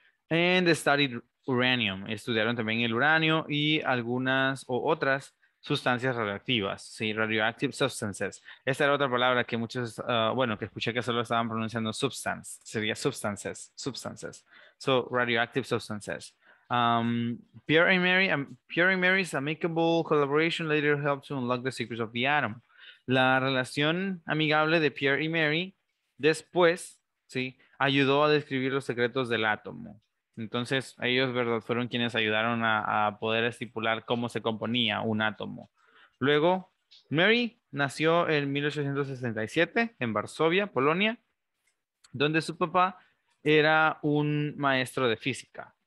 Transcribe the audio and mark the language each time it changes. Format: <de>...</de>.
<en>And studied uranium.</en> <es>Estudiaron también el uranio y algunas o otras sustancias radioactivas, ¿sí?</es> <en>Radioactive substances.</en> <es>Esta era otra palabra que muchos, bueno, que escuché que solo estaban pronunciando substance. Sería</es> <en>substances, substances. So, radioactive substances. Pierre y Mary's amicable collaboration later helped to unlock the secrets of the atom.</en> <es>La relación amigable de Pierre y Mary después, ¿sí? Ayudó a describir los secretos del átomo. Entonces, ellos, ¿verdad?, fueron quienes ayudaron a poder estipular cómo se componía un átomo. Luego, Mary nació en 1867 en Varsovia, Polonia, donde su papá era un maestro de física.</es>